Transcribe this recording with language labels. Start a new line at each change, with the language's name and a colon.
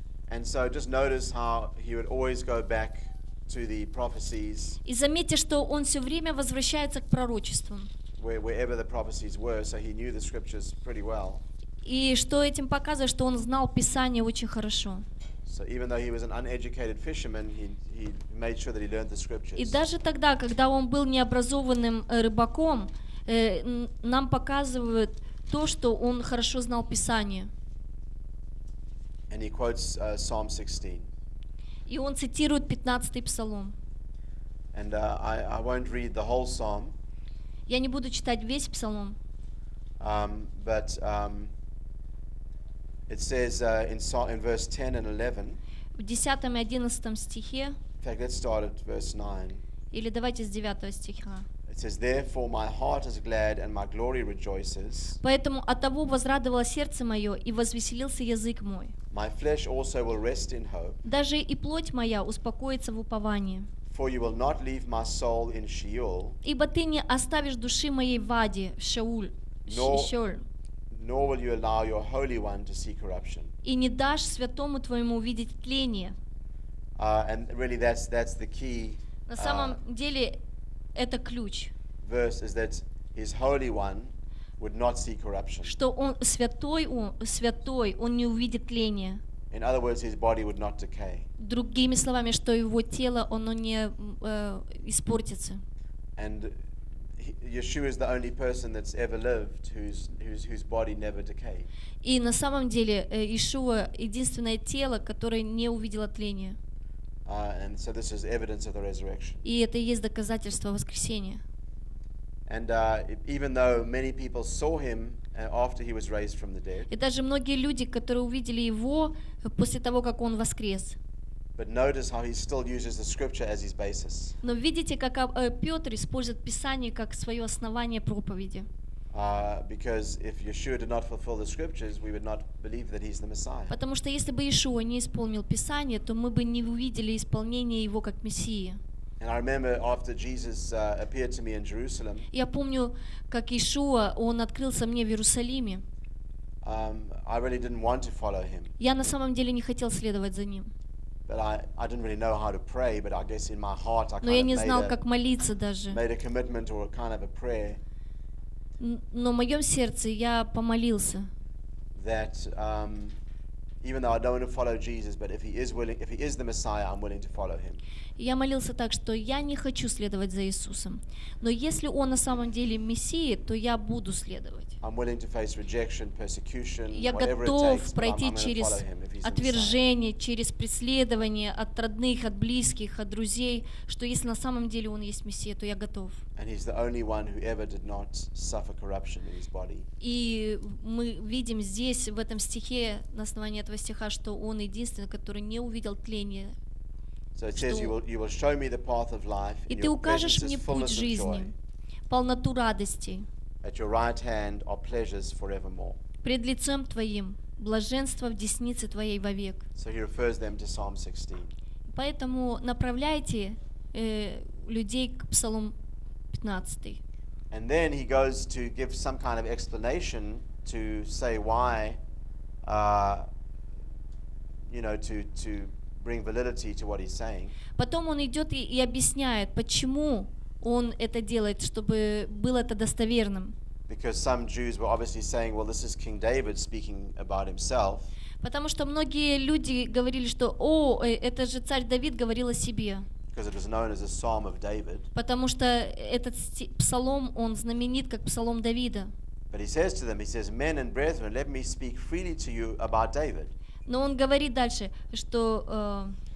English: And so just notice how he would always go back to the prophecies.
Russian: И заметьте, что он все время возвращается к пророчествам.
English: Wherever the prophecies were, so he knew the scriptures pretty well.
Russian: И что этим показывает, что он знал Писание очень хорошо.
English: So even though he was an uneducated fisherman, he made sure that he learned the scriptures.
Russian: И даже тогда, когда он был необразованным рыбаком, нам показывают то, что он хорошо знал Писание.
English: And he quotes Psalm 16.
Russian: И он цитирует 15-й псалом.
English: And I won't read the whole psalm.
Russian: Я не буду читать весь псалом.
English: But it says in verse 10 and 11.
Russian: В 10-м и 11-м стихе.
English: In fact, let's start at verse 9.
Russian: Или давайте с 9-го стиха.
English: It says, "Therefore my heart is glad and my glory rejoices."
Russian: Поэтому от того возрадовало сердце мое и возвеселился язык мой.
English: My flesh also will rest in hope.
Russian: Даже и плоть моя успокоится в уповании.
English: For you will not leave my soul in Sheol.
Russian: Ибо ты не оставишь души моей в аде, в Шеуль, Шеол.
English: Nor will you allow your holy one to see corruption.
Russian: И не дашь святому твоему увидеть тление.
English: And really, that's the key.
Russian: На самом деле это ключ.
English: Verse is that his holy one, would not see corruption.
Russian: Что он святой, он не увидит тления.
English: In other words, his body would not decay.
Russian: Другими словами, что его тело, оно не испортится.
English: And Yeshua is the only person that's ever lived whose body never decayed.
Russian: И на самом деле Иешуа единственное тело, которое не увидело тления.
English: And so this is evidence of the resurrection.
Russian: И это и есть доказательство воскресения.
English: And even though many people saw him after he was raised from the dead.
Russian: И даже многие люди, которые увидели его после того, как он воскрес.
English: But notice how he still uses the scripture as his basis.
Russian: Но видите, как Петр использует Писание как свое основание проповеди.
English: Because if Yeshua did not fulfill the scriptures, we would not believe that he's the Messiah.
Russian: Потому что если бы Иешуа не исполнил Писание, то мы бы не увидели исполнение его как Мессии.
English: And I remember after Jesus appeared to me in Jerusalem.
Russian: Я помню, как Иешуа, он открылся мне в Иерусалиме.
English: I really didn't want to follow him.
Russian: Я на самом деле не хотел следовать за ним.
English: But I didn't really know how to pray, but I guess in my heart I
Russian: Но
English: kind
Russian: я не
English: of
Russian: знал,
English: made,
Russian: как молиться даже.
English: Made a commitment or a kind of a prayer.
Russian: Но в моем сердце я помолился.
English: That even though I don't want to follow Jesus, but if he is willing, if he is the Messiah, I'm willing to follow him.
Russian: Я молился так, что я не хочу следовать за Иисусом, но если он на самом деле Мессия, то я буду следовать.
English: I'm willing to face rejection, persecution,
Russian: я готов пройти через отвержение, через преследование от родных, от близких, от друзей, что если на самом деле он есть Мессия, то я готов.
English: And he's the only one who ever did not suffer corruption in his body.
Russian: И мы видим здесь в этом стихе на основании этого стиха, что он единственный, который не увидел тления.
English: So it says you will show me the path of life and your presence is fullness of
Russian: жизни,
English: joy.
Russian: Полноту радости.
English: At your right hand are pleasures forevermore.
Russian: Пред лицом твоим блаженство в деснице твоей вовек.
English: So he refers them to Psalm 16.
Russian: Поэтому направляйте людей к Псалом 15.
English: And then he goes to give some kind of explanation to say why to bring validity to what he's saying.
Russian: Потом он идет и объясняет, почему он это делает, чтобы было это достоверным.
English: Because some Jews were obviously saying, well, this is King David speaking about himself.
Russian: Потому что многие люди говорили, что, о, это же царь Давид говорил о себе.
English: Because it was known as a Psalm of David.
Russian: Потому что этот псалом, он знаменит как псалом Давида.
English: But he says to them, he says, men and brethren, let me speak freely to you about David.
Russian: Но он говорит дальше, что